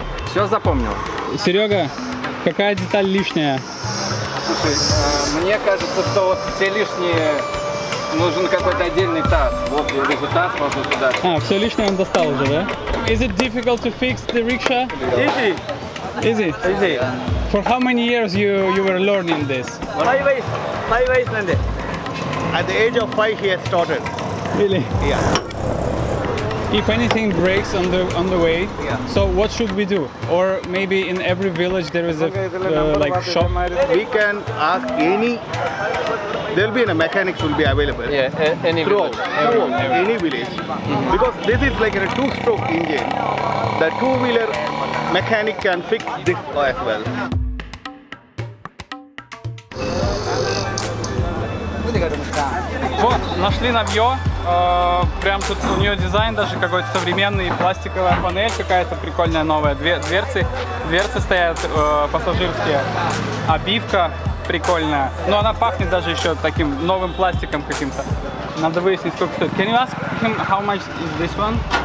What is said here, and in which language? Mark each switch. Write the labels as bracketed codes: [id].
[ru] Все запомнил. Серега, какая деталь лишняя? Слушай, мне кажется, что вот все лишние... Нужен какой-то отдельный таз. Вот я вижу таз, можно туда. А, все лишнее он достал уже, да? [en] Is it difficult to fix the rickshaw? Easy. Easy? Easy. For how many years you were learning this? Five ways, Nandi. At the age of 5 he has started. Really? Yeah. If anything breaks on the way, yeah. So what should we do? Or maybe in every village there is a shop. We can ask any. There'll be a mechanic will be available. Yeah, any village. Any village. Mm-hmm. Because this is like a two-stroke engine. The two-wheeler mechanic can fix this as well. [ru] Вот, нашли навьё, прям тут у неё дизайн даже какой-то современный, пластиковая панель какая-то прикольная новая, дверцы стоят пассажирские, обивка прикольная, но она пахнет даже ещё таким новым пластиком каким-то, надо выяснить сколько стоит. [en] Can you ask him how much is this one?